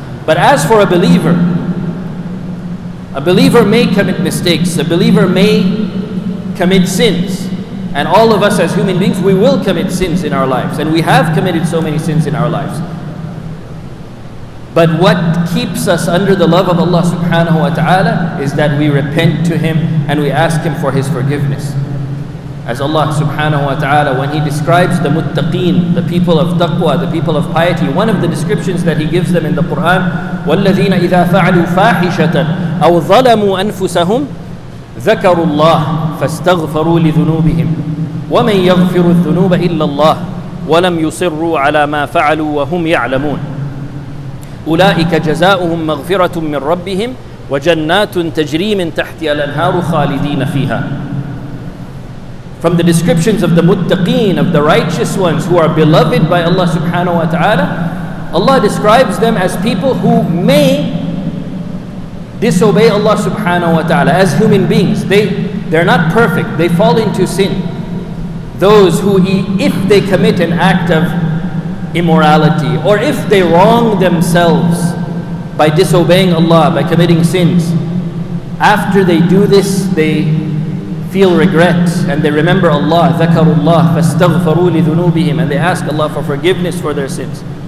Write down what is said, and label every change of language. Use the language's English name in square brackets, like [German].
[English] But as for a believer may commit mistakes, a believer may commit sins. And all of us as human beings, we will commit sins in our lives. And we have committed so many sins in our lives. But what keeps us under the love of Allah subhanahu wa ta'ala is that we repent to Him and we ask Him for His forgiveness. As Allah subhanahu wa ta'ala, when He describes the muttaqeen, the people of taqwa, the people of piety, one of the descriptions that He gives them in the Qur'an, [Arabic] وَالَّذِينَ إِذَا فَعَلُوا فَاحِشَةً أَوْ ظَلَمُوا أَنفُسَهُمْ ذَكَرُوا اللَّهِ فَاسْتَغْفَرُوا لِذُنُوبِهِمْ وَمَنْ يَغْفِرُ الذُّنُوبَ إِلَّا اللَّهِ وَلَمْ يُصِرُّوا عَلَى مَا فَعَلُوا وَهُمْ يَعْلَمُونَ أولئك جزاؤهم مغفرة من ربهم وجنات تجري من تحتها الأنهار خالدين فيها. [English] From the descriptions of the muttaqeen, of the righteous ones who are beloved by Allah subhanahu wa ta'ala, Allah describes them as people who may disobey Allah subhanahu wa ta'ala as human beings. They're not perfect. They fall into sin. Those who, if they commit an act of immorality, or if they wrong themselves by disobeying Allah, by committing sins, after they do this, they feel regret and they remember Allah, [Arabic] ذَكَرُوا اللَّهِ فَاسْتَغْفَرُوا لِذُنُوبِهِمْ, [English] and they ask Allah for forgiveness for their sins.